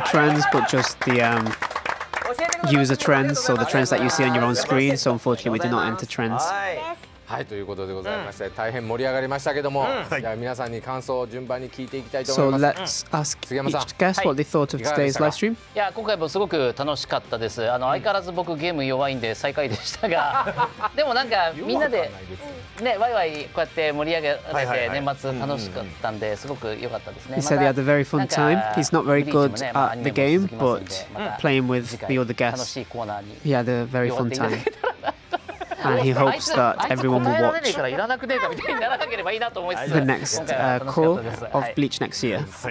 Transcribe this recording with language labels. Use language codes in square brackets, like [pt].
[en] trends, but just the user trends, so the trends that you see on your own screen. So unfortunately, we did not enter trends. [ja] はい、ということでございまして、大変盛り上がりましたけども、じゃあ皆さんに感想を順番に聞いていきたいと思います。 [en] So let's ask each guest what they thought of today's live stream. [ja] いや、今回もすごく楽しかったです。相変わらず僕ゲーム弱いんで最下位でしたが、でもなんかみんなでね、ワイワイこうやって盛り上げて年末楽しかったんで、すごく良かったですね。 [en] He said he had a very fun time. He's not very good at the game, but playing with the other guests, he had a very fun time. and he hopes that everyone will watch the next core of Bleach next year.